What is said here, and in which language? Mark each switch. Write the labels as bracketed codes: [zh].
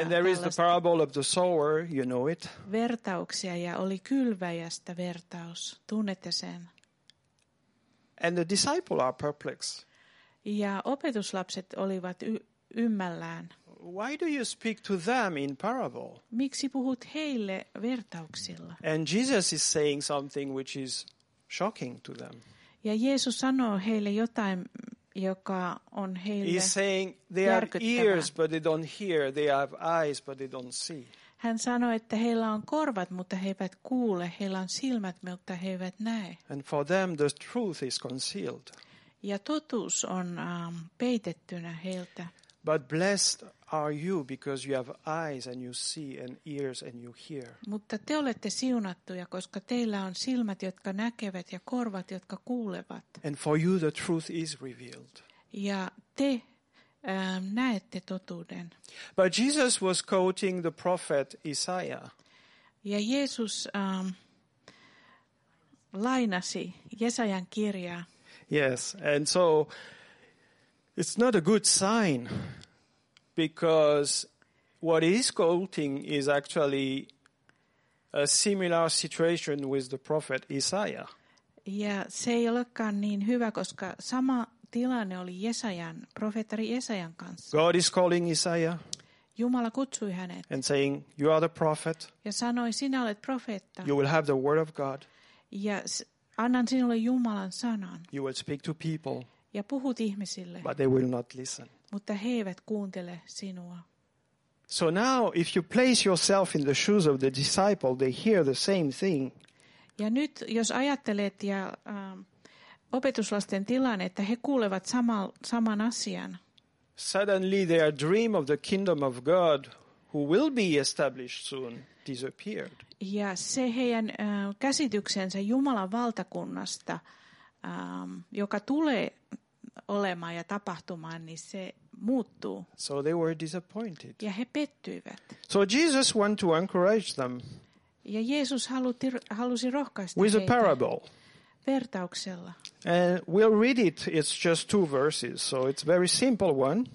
[en] and there is the parable of the sower, you know it. [fi] Vertauksia ja oli kylväjästä vertaus. Tunnette sen. [en] And the disciples are perplexed. [fi] Ja opetuslapset olivat ymmällään. [en] Why do you speak to them in parable? [fi] Miksi puhut heille vertauksilla? [en] And Jesus is saying something which is shocking to them. [fi] Ja Jeesus sanoo heille jotain, joka on heille järkyttävä. [en] He's saying they have ears but they don't hear, they have eyes but they don't see. [fi] Hän sanoi, että heillä on korvat, mutta he eivät kuule. Heillä on silmät, mutta he eivät näe. [en] And for them the truth is concealed. [fi] Ja totuus on peitettynä heiltä. [en] But blessed are you because you have eyes and you see and ears and you hear. [fi] Mutta te olette siunattuja, koska teillä on silmät, jotka näkevät ja korvat, jotka kuulevat. [en] And for you the truth is revealed. [fi] Ja te näette totuuden. [en] But Jesus was quoting the prophet Isaiah. [fi] Ja Jeesus lainasi Jesajan kirjaa. [en] Yes, and so it's not a good sign because what he's quoting is actually a similar situation with the prophet Isaiah. [fi] Ja se ei olekaan niin hyvä, koska sama tilanne oli Jesajan, profeettari Jesajan kanssa. [en] God is calling Isaiah. [fi] Jumala kutsui hänet. [en] And saying, you are the prophet. [fi] Ja sanoi, sinä olet profeetta. [en] You will have the word of God. [fi] Ja annan sinulle Jumalan sanan. [en] You will speak to people. [fi] Ja puhut ihmisille. [en] But they will not listen. [fi] Mutta he eivät kuuntele sinua. [en] So now, if you place yourself in the shoes of the disciple, they hear the same thing. [fi] Ja nyt, jos ajattelet ja opetuslasten tilanne, että he kuulevat saman asian. [en] Suddenly their dream of the kingdom of God, who will be established soon, disappeared. [fi] Ja se heidän käsityksensä Jumalan valtakunnasta, joka tulee olemaan ja tapahtumaan, niin se muuttuu. [en] So they were disappointed. [fi] Ja he pettyivät. [en] So Jesus wanted to encourage them. [fi] Ja Jeesus halusi rohkaista [en] with [fi] heitä. [en] A parable. [fi] Vertauksella. [en] And we'll read it. It's just two verses, so it's a very simple one.